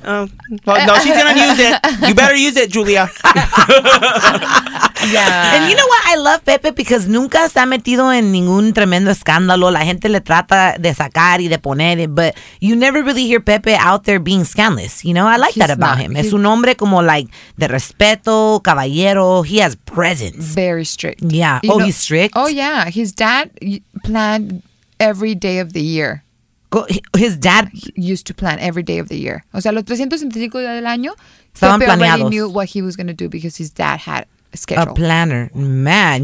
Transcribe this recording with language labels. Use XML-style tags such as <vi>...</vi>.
<en>No, she's going to use it. You better use it, Julia. Yeah. And you know what? I love Pepe because</en> <es>nunca se ha metido en ningún tremendo escándalo. La gente le trata de sacar y de poner</es> <en>it, but you never really hear Pepe out there being scandalous. You know, I like he's that about not, him.</en> <es>Es un hombre como like de respeto, caballero.</es> <en>He has presence. Very strict. Yeah. You know, he's strict? Oh, yeah. His dad planned every day of the year. his dad used to plan every day of the year.</en> <es>O sea, los 365 días del año, estaban planeados.</es> <en>He knew what he was going to do because his dad had a schedule. A planner. Man.</en>